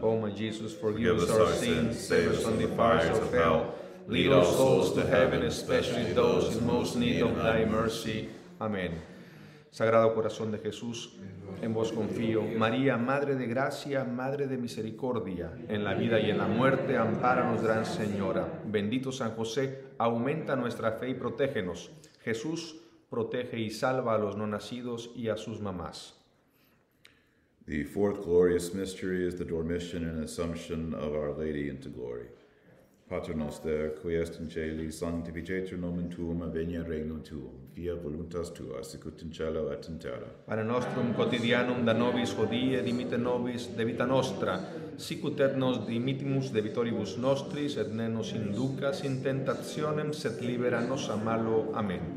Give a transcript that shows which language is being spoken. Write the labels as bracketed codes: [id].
[en] O my Jesus, forgive us our sins, save us from the fires of hell, lead all souls to heaven, especially those in most need of thy mercy. [es] Amen. Sagrado Corazón de Jesús, en vos confío. María, Madre de Gracia, Madre de Misericordia, en la vida y en la muerte, ampáranos, Gran Señora. Bendito San José, aumenta nuestra fe y protégenos. Jesús protege y salva a los no nacidos y a sus mamás. [en] The fourth glorious mystery is the Dormition and Assumption of Our Lady into Glory. [la] Pater noster, qui est in celi, sanctificetur nomen tuum, veniat regnum tuum, fiat voluntas tua, sicut in cielo et in terra. Pane nostrum quotidianum da nobis hodie, dimitte nobis debita nostra, sicut et nos dimittimus debitoribus nostris, et ne nos inducas in tentationem, sed libera nos a malo. Amen.